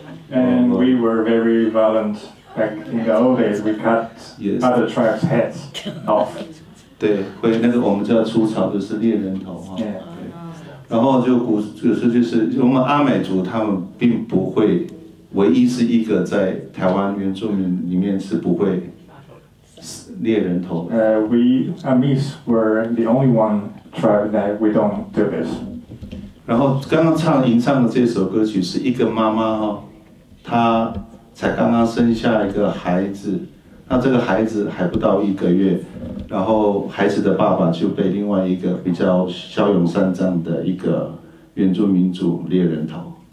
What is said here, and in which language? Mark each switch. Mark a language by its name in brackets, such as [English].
[English] And we were very violent back in the old days. We cut other tribes' heads off. [Chinese] 对，会那个我们叫出草，就是猎人头哈。然后就古就是就是我们阿美族他们并不会，唯一是一个在台湾原住民里面是不会猎人头的。 [English] We Amis were the only one tribe that we don't do this。 [Chinese] 然后刚刚唱吟唱的这首歌曲是一个妈妈哈、哦，她才刚刚生下一个孩子，那这个孩子还不到一个月，然后孩子的爸爸就被另外一个比较骁勇善战的一个原住民族猎人头。